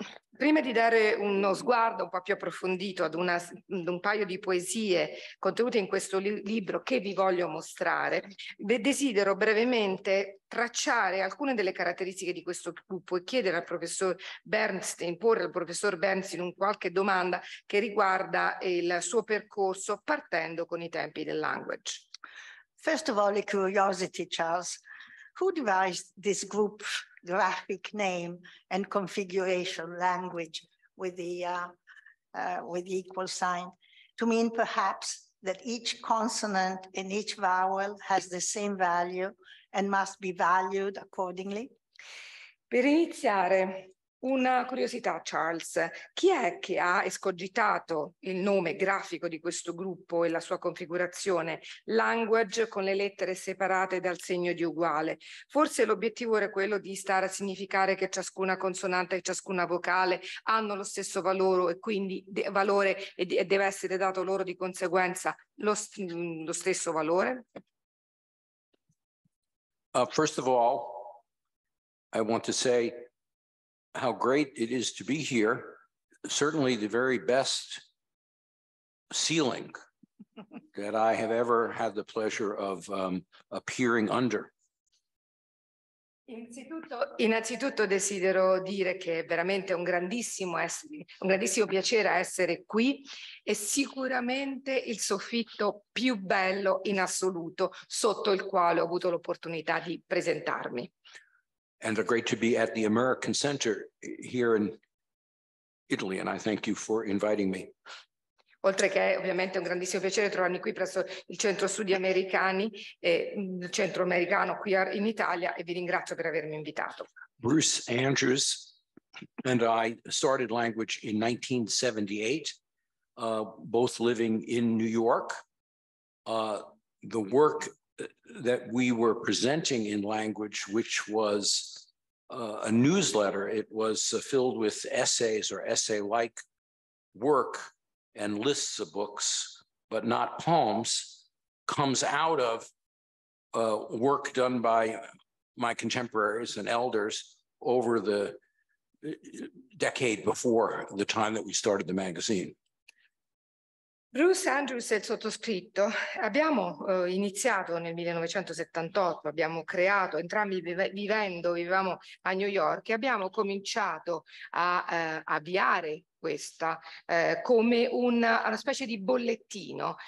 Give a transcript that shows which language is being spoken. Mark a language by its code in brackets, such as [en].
[it] Prima di dare uno sguardo un po' più approfondito ad un paio di poesie contenute in questo libro che vi voglio mostrare, desidero brevemente tracciare alcune delle caratteristiche di questo gruppo e chiedere al professor Bernstein, porre al professor Bernstein un qualche domanda che riguarda il suo percorso partendo con i tempi del language. [en] First of all, a curiosity, Charles. Who devised this group? Graphic name and configuration language with the equal sign to mean perhaps that each consonant and each vowel has the same value and must be valued accordingly. [it] Per iniziare, una curiosità, Charles, chi è che ha escogitato il nome grafico di questo gruppo e la sua configurazione? Language con le lettere separate dal segno di uguale. Forse l'obiettivo era quello di stare a significare che ciascuna consonante e ciascuna vocale hanno lo stesso valore e quindi valore e deve essere dato loro di conseguenza lo stesso valore? [en] First of all, I want to say how great it is to be here, certainly the very best ceiling that I have ever had the pleasure of appearing under. [it] Innanzitutto desidero dire che è veramente un grandissimo piacere essere qui e sicuramente il soffitto più bello in assoluto sotto il quale ho avuto l'opportunità di presentarmi. [en] And great to be at the American Center here in Italy, and I thank you for inviting me. [it] Oltre che ovviamente un grandissimo piacere trovarmi qui presso il Centro Studi Americani e il Centro Americano qui in Italia, e vi ringrazio per avermi invitato. [en] Bruce Andrews and I started language in 1978, both living in New York. The work that we were presenting in language, which was a newsletter. It was filled with essays or essay-like work and lists of books, but not poems, comes out of work done by my contemporaries and elders over the decade before the time that we started the magazine. [it] Bruce Andrews e il sottoscritto abbiamo iniziato nel 1978, abbiamo creato, entrambi vivevamo a New York e abbiamo cominciato a avviare questa come una specie di bollettino.